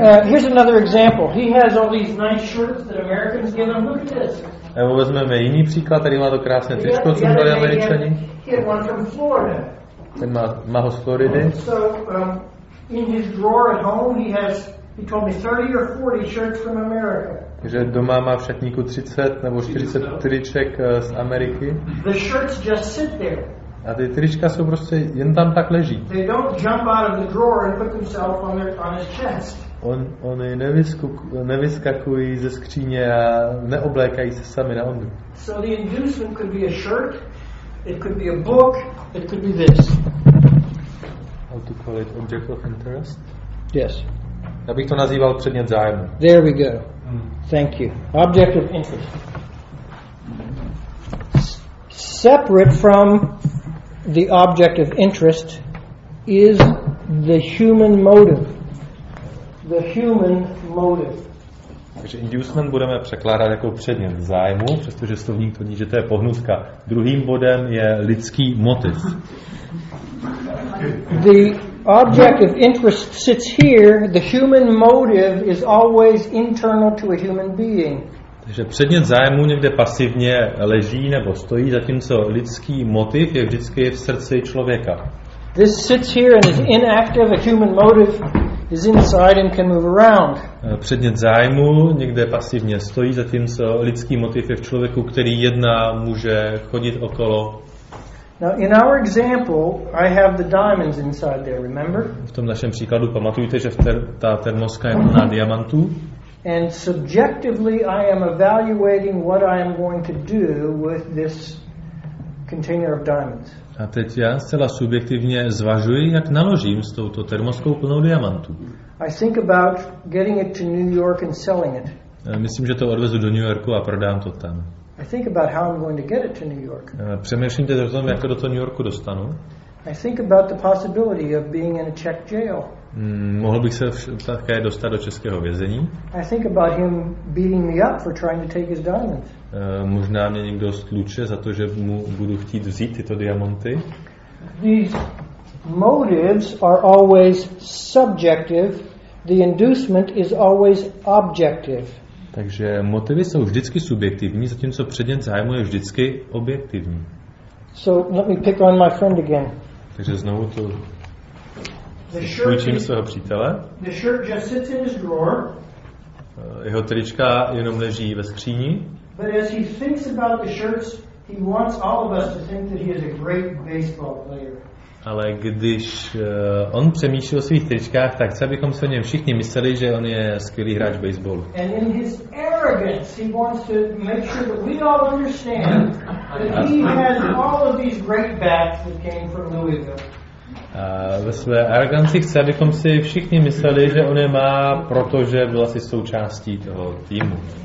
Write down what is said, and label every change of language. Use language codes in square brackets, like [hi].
[en] Here's another example. He has all these nice shirts that Americans give him. Look at this. [cs] Evo, vezmeme jiný příklad. Tady má to krásné tričko, co dali Američani. [en] He had one from Florida. [cs] Ten má ho z Floridy. [en] So, in his drawer at home, he has, he told me, 30 or 40 shirts from America. [cs] Že doma má v šatníku 30 nebo 40 triček z Ameriky. [en] The shirts just sit there. [cs] A ty trička jsou prostě jen tam tak leží. [en] They don't jump out of the drawer and put himself on their, on his chest. [cs] Oni nevyskakují ze skříně a neoblékají se sami na ondu. [en] So the inducement could be a shirt, it could be a book, it could be this. How to call it object of interest? Yes. [cs] Já bych to nazýval předmět zájmu. [en] There we go. Thank you. Object of interest. Separate from the object of interest is the human motive. The human motive. [cs] Takže inducement budeme překládat jako předmět zájmu, přestože slovník to ní, že to je pohnutka. Druhým bodem je lidský motiv. [en] The object of interest sits here. The human motive is always internal to a human being. [cs] Takže předmět zájmu někde pasivně leží nebo stojí, zatímco lidský motiv je vždycky v srdci člověka. [en] This sits here and is inactive. A human motive is inside and can move around. [cs] Předmět zájmu někde pasivně stojí, zatímco lidský motiv je v člověku, který jedná, může chodit okolo. [en] Now in our example, I have the diamonds inside there, remember? [cs] V tom našem příkladu pamatujte, že ta termoska je plná diamantů. [en] And subjectively I am evaluating what I am going to do with this container of diamonds. [cs] A teď já zcela subjektivně zvažuji, jak naložím s touto termoskou plnou diamantů. [en] I think about getting it to New York and selling it. [cs] Myslím, že to odvezu do New Yorku a prodám to tam. [en] I think about how I'm going to get it to New York. [cs] Přemýšlím teď o tom, jak to do toho New Yorku dostanu. [en] I think about the possibility of being in a Czech jail. [cs] Mohl bych se také dostat do českého vězení. [en] I think about him beating me up for trying to take his diamonds. [cs] Možná mě někdo stluče za to, že mu budu chtít vzít tyto diamanty. [en] These motives are always subjective. The inducement is always objective. [cs] Takže motivy jsou vždycky subjektivní, zatímco předmět zájmu je vždycky objektivní. [en] So let me pick on my friend again. [cs] Takže znovu to půjčím svého přítele. [en] The shirt just sits in his drawer. [cs] Jeho trička jenom leží ve skříni. [en] But as he thinks about the shirts, he wants all of us to think that he is a great baseball player. [cs] Ale když on přemýšlí o svých tričkách, tak chce, abychom se o něm všichni mysleli, že on je skvělý hráč baseballu. [en] And in his arrogance, he wants to make sure that we all understand that he has all of these great bats that came from Louisville. [cs] A ve své aroganci chce, abychom si všichni mysleli, že on je má, protože byl asi součástí toho týmu.